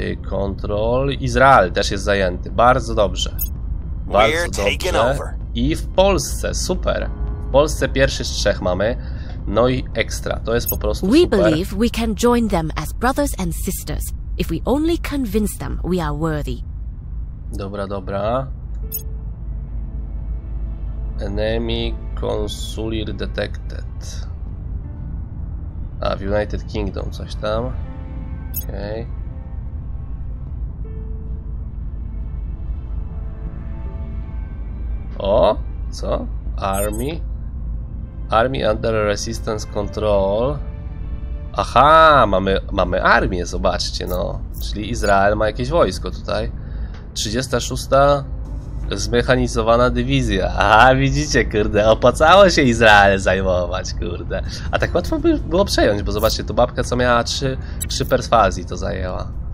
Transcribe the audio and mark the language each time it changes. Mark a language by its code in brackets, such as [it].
[pl] Kontrol, Izrael też jest zajęty, bardzo dobrze. Bardzo dobrze. I w Polsce, super. W Polsce pierwszy z trzech mamy. No i ekstra, to jest po prostu super. [en] We believe we can join them as brothers and sisters. If we only convince them, we are worthy. [pl] Dobra, dobra. [en] Enemy consular detected. [pl] A, w United Kingdom, coś tam. Okej. Okay. O, co? Army? [en] Army under resistance control. [pl] Aha, mamy armię, zobaczcie, no. Czyli Izrael ma jakieś wojsko tutaj. 36. Zmechanizowana dywizja. Aha, widzicie, kurde, opłacało się Izrael zajmować, kurde. A tak łatwo by było przejąć, bo zobaczcie, to babka, co miała 3 perswazji, to zajęła.